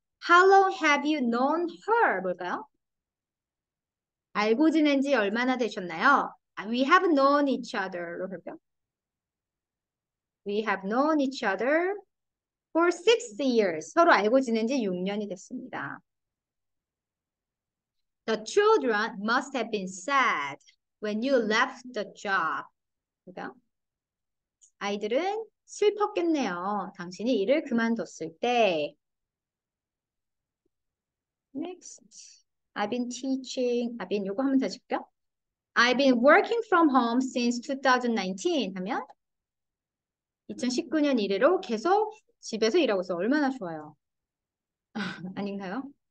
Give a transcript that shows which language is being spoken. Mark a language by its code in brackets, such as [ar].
[en] How long have you known her? [ko] 뭘까요? 알고 지낸 지 얼마나 되셨나요? [en] We have known each other. [ko] 그럴까요? [en] We have known each other for 6 years. [ko] 서로 알고 지낸 지 6년이 됐습니다. [en] The children must have been sad when you left the job. [ko] 그럴까요? 아이들은 슬펐겠네요. 당신이 일을 그만뒀을 때. [en] Next. I've been [ko] 요거 한번 더 줄게요. [en] I've been working from home since 2019 [ko] 하면 2019년 이래로 계속 집에서 일하고 있어. 얼마나 좋아요. 아닌가요?